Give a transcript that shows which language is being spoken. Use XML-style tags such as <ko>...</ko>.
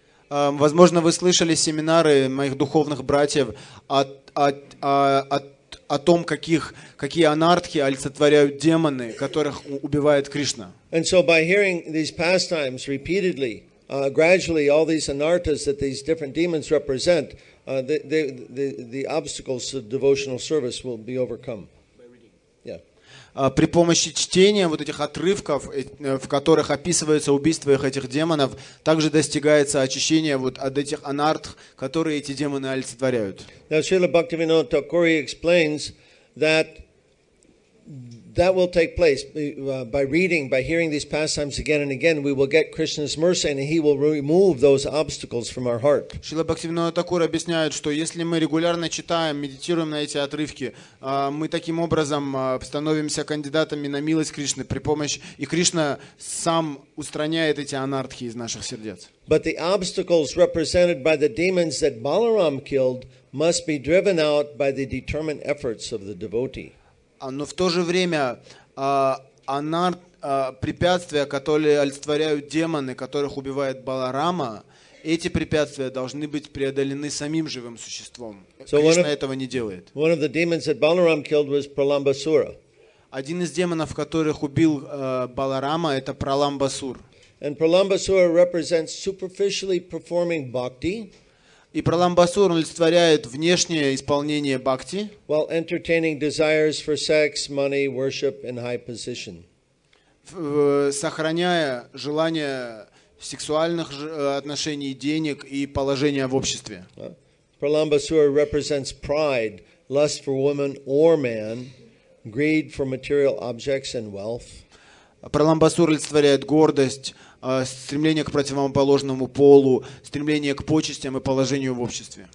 <ru>Возможно, вы слышали семинары моих духовных братьев о том, какие анартхи олицетворяют демоны, которых убивает Кришна.</ru> <en>And so, by hearing these pastimes repeatedly, gradually, all these anartas that these different demons represent. The obstacles of devotional service will be overcome.</en> <ru>При помощи чтения вот этих отрывков, в которых описывается убийство этих демонов, также достигается очищение вот от этих анартх, которые эти демоны олицетворяют.</ru> <en>Now, Srila Bhaktivinoda Thakura explains that That will take place by reading, by hearing these pastimes again and again. We will get Krishna's mercy, and He will remove those obstacles from our heart.</en> <ru>Шрила Бхактивинода Такура объясняет, что если мы регулярно читаем, медитируем на эти отрывки, мы таким образом становимся кандидатами на милость Кришны при помощи, и Кришна сам устраняет эти анартхи из наших сердец.</ru> <en>But the obstacles represented by the demons that Balaram killed must be driven out by the determined efforts of the devotee.</en> <ru>Но в то же время препятствия, которые олицетворяют демоны, которых убивает Баларама, эти препятствия должны быть преодолены самим живым существом. Кришна этого не делает.</ru> <en>One of the demons that Balaram killed was Pralambasura.</en> <ru>Один из демонов, которых убил Баларама, это Праламбасур.</ru> <en>And Pralambasura represents superficially performing bhakti.</en> <ru>И Праламбасур олицетворяет внешнее исполнение бхакти,</ru> <en>while entertaining desires for sex, money, worship, and high position.</en> <ru>Сохраняя желание сексуальных отношений, денег и положения в обществе.</ru> <en>Праламбасура represents pride, lust for woman or man, greed for material objects and wealth.</en> <ru>Праламбасур олицетворяет гордость, стремление к противоположному полу, стремление к почестям и положению в обществе.</ru>